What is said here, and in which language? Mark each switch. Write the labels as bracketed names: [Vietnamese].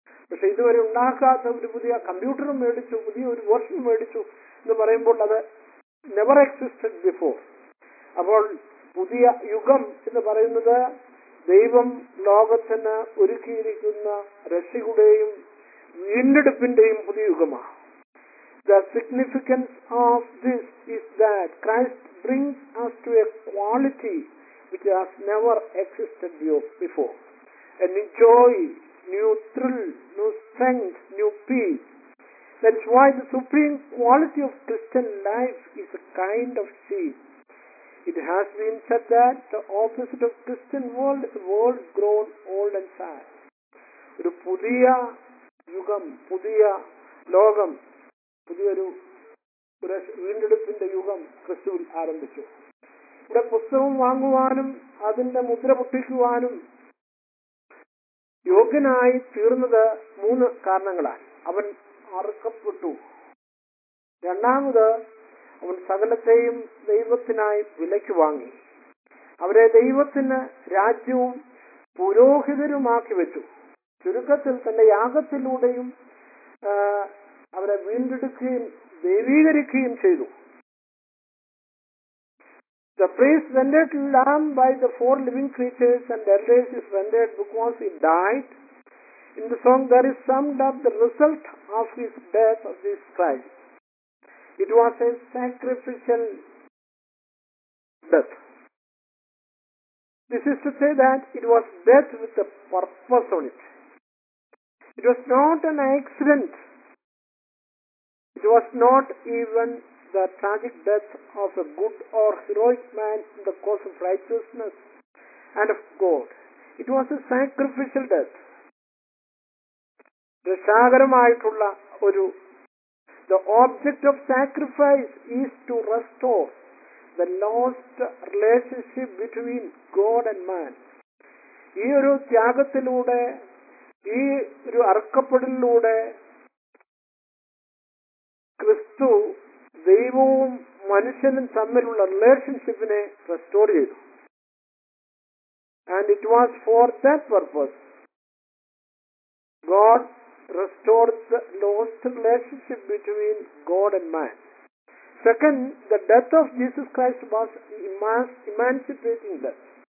[Malayalam] പക്ഷെ ഇതുവരെ ഉണ്ടാക്കാത്ത ഒരു പുതിയ കമ്പ്യൂട്ടറും മേടിച്ചു, പുതിയ ഒരു വെർഷൻ മേടിച്ചു എന്ന് പറയുമ്പോൾ അത് [English] Never existed before. [Malayalam] അപ്പോൾ പുതിയ യുഗം എന്ന് പറയുന്നത് ദൈവം ലോകത്തിന് ഒരുക്കിയിരിക്കുന്ന രക്ഷയുടെയും വീണ്ടെടുപ്പിന്റെയും പുതിയ യുഗമാണ്. [English] The significance of this is that Christ brings us to a quality which has never existed before. A new joy, new thrill, new strength, new peace. That is why the supreme quality of Christian life is a kind of seed. It has been said that the opposite of Christian world is a world grown old and sad. [Malayalam] ഒരു പുതിയ യുഗം, പുതിയ ലോകം, പുതിയൊരു വീണ്ടെടുപ്പിന്റെ യുഗം ക്രിസ്തുവിൽ ആരംഭിച്ചു. ഇവിടെ പുസ്തകം വാങ്ങുവാനും അതിന്റെ മുദ്ര പൊട്ടിക്കുവാനും യോഗ്യനായി തീർന്നത് മൂന്ന് കാരണങ്ങളാണ്. അവൻ അറുക്കപ്പെട്ടു. രണ്ടാമത്, അവൻ സകലത്തെയും ദൈവത്തിനായി വിലയ്ക്ക് വാങ്ങി, അവരെ ദൈവത്തിന് രാജ്യവും പുരോഹിതരുമാക്കി വെച്ചു. ചുരുക്കത്തിൽ തന്റെ യാഗത്തിലൂടെയും അവരെ വീണ്ടെടുക്കുകയും ദൈവീകരിക്കുകയും ചെയ്തു. [English] The priest rendered lamb by the four living creatures and elders is rendered because he died. In the song there is summed up the result of his death of this Christ. It was a sacrificial death. This is to say that it was death with a purpose on it. It was not an accident. It was not even the tragic death of a good or heroic man in the course of righteousness and of God. It was a sacrificial death. [Malayalam] രക്ഷാകരമായിട്ടുള്ള ഒരു [English] The object of sacrifice is to restore the lost relationship between God and man. [Malayalam] ഈ ഒരു ത്യാഗത്തിലൂടെ, ഈ ഒരു അർക്കപ്പെടലിലൂടെ ക്രിസ്തു ദൈവവും മനുഷ്യനും തമ്മിലുള്ള റിലേഷൻഷിപ്പിനെ restore ചെയ്തു. [English] And it was for that purpose God restored the lost relationship between God and man. Second, the death of Jesus Christ was emancipating death.